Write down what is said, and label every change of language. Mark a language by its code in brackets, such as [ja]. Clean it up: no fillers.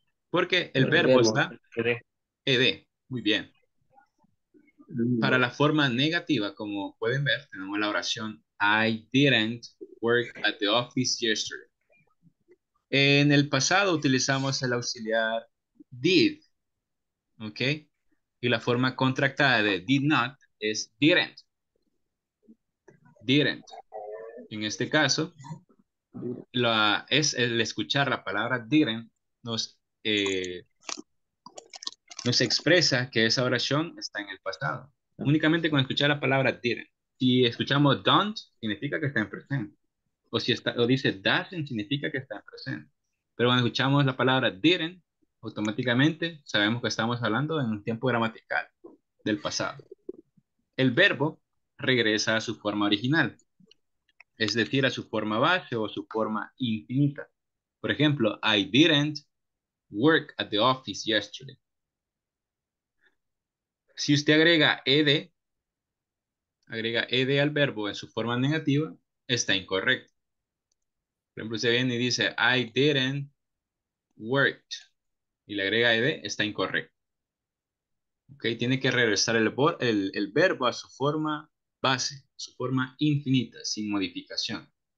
[es] Porque el verbo está ed. Muy bien. Para la forma negativa, como pueden ver, tenemos la oración [en] I didn't work at the office yesterday. [es] En el pasado utilizamos el auxiliar did, ¿ok? Y la forma contractada de did not es didn't. [en] Didn't. [es] En este caso, el escuchar la palabra didn't nos expresa que esa oración está en el pasado. Únicamente con escuchar la palabra didn't. Si escuchamos don't, significa que está en presente. O si está, o dice doesn't, significa que está en presente. Pero cuando escuchamos la palabra didn't, automáticamente sabemos que estamos hablando en un tiempo gramatical del pasado. El verbo regresa a su forma original. Es decir, a su forma base o su forma infinita. Por ejemplo, [en] I didn't work at the office yesterday. [es] Si usted agrega ed al verbo en su forma negativa, está incorrecto. Por ejemplo, usted viene y dice, [en] I didn't work. [es] Y le agrega ed, está incorrecto. Okay, tiene que regresar el verbo a su forma base, su forma infinita, sin modificación.